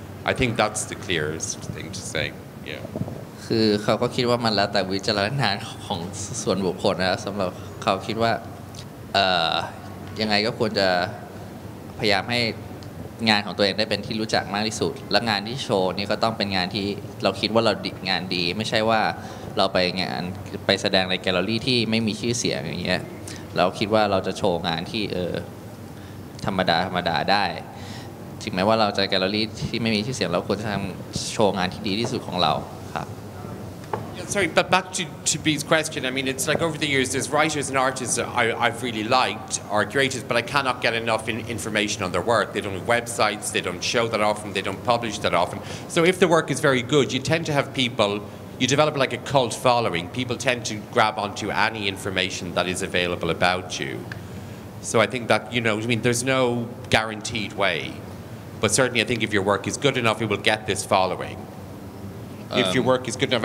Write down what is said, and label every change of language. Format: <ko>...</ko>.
<en>I think that's the clearest thing to say, yeah.</en> <th>คือเขาก็คิดว่ามันแล้วแต่วิจารณญาณของส่วนบุคคลนะครับสำหรับเขาคิดว่ายังไงก็ควรจะพยายามให้งานของตัวเองได้เป็นที่รู้จักมากที่สุดและงานที่โชว์นี่ก็ต้องเป็นงานที่เราคิดว่าเราดีงานดีไม่ใช่ว่าเราไปงานไปแสดงในแกลเลอรี่ที่ไม่มีชื่อเสียงอย่างเงี้ยเราคิดว่าเราจะโชว์งานที่ ธรรมดาธรรมดาได้ถึงแม้ว่าเราจะแกลเลอรี่ที่ไม่มีชื่อเสียงเราควรจะทำโชว์งานที่ดีที่สุดของเราครับ</th> <en>Yeah, sorry but back to B's question I mean it's like over the years there's writers and artists that I've really liked are curators but I cannot get enough information on their work they don't have websites they don't show that often they don't publish that often so if the work is very good you tend to have people you develop like a cult following people tend to grab onto any information that is available about you so I think that you know I mean there's no guaranteed way but certainly I think if your work is good enough you will get this followingIf your work is good enough.</en>